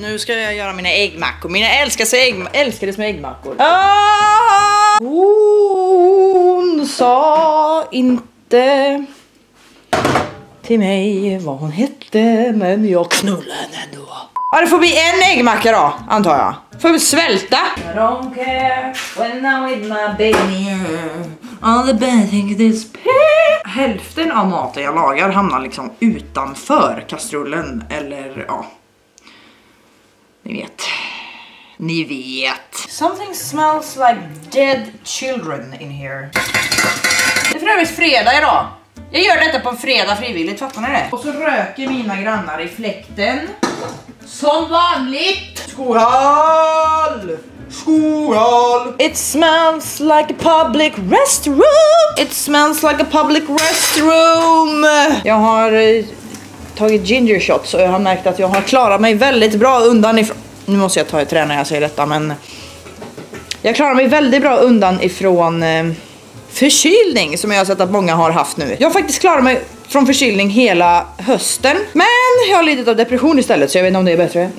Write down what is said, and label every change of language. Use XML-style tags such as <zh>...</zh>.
<sv>Nu ska jag göra mina äggmackor. Mina älskade små äggmackor. Hon sa inte... till mig vad hon hette, men jag knullade henne ändå. Ja, det får bli en äggmacka då, antar jag. Får vi svälta?</sv> <en>I don't care when I'm with my baby. All the bad things is pain.</en> <sv>Hälften av maten jag lagar hamnar liksom utanför kastrullen. Eller, ja. Ni vet. Ni vet.</sv> <en>Something smells like dead children in here.</en> <sv>Det är för övrigt fredag idag. Jag gör detta på en fredag frivilligt, fattar ni det? Och så röker mina grannar i fläkten. Som vanligt! Skohall! Skohall!</sv> <en>It smells like a public restroom! It smells like a public restroom!</en> <sv>Jag har tagit ginger shots och jag har märkt att jag har klarat mig väldigt bra undan ifrån... Nu måste jag ta ett trä när jag säger detta, men... Jag klarar mig väldigt bra undan ifrån... förkylning som jag har sett att många har haft nu. Jag har faktiskt klarat mig från förkylning hela hösten. Men jag har lidit av depression istället, så jag vet inte om det är bättre.</sv>